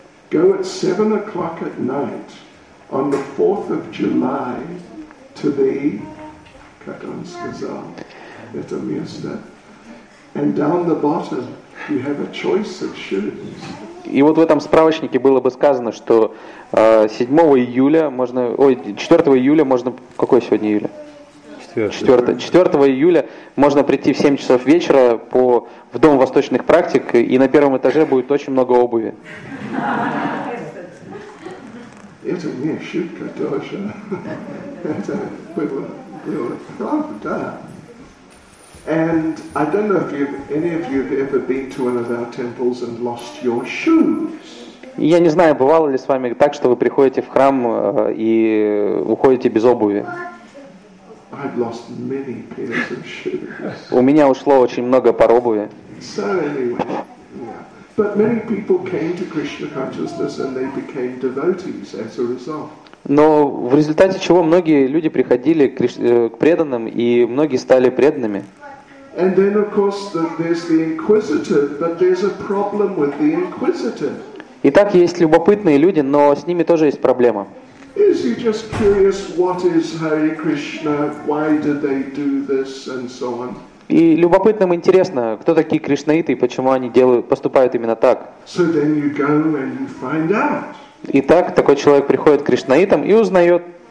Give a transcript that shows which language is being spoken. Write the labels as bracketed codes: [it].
[en] Go at 7 o'clock at night on the 4th of July to the Katanskazal, [ru] это место. [en] And down the bottom you have a choice of shoes. [ru] И вот в этом справочнике было бы сказано, что 4 июля можно. Какое сегодня июля? 4 июля можно прийти в 7 часов вечера в Дом восточных практик, и на первом этаже будет очень много обуви. Это не шутка тоже. Это было правда. [en] And I don't know if any of you have ever been to one of our temples and lost your shoes. [ru] Я не знаю, бывало ли с вами так, что вы приходите в храм и уходите без обуви. [en] I've lost many pairs of shoes. [ru] У меня ушло очень много пар обуви. [en] So anyway, But many people came to Krishna consciousness and they became devotees as a result. [ru] Но в результате чего многие люди приходили к преданным, и многие стали преданными. [en] And then, of course, there's the inquisitive, but there's a problem with the inquisitive. [ru] Итак, есть любопытные люди, но с ними тоже есть проблема. [en] Is he just curious what is Hare Krishna, why do they do this, and so on? [ru] И любопытным интересно, кто такие кришнаиты и почему они поступают именно так. [en] So then you go and you find out. [ru] Итак, такой человек приходит к кришнаитам и узнает.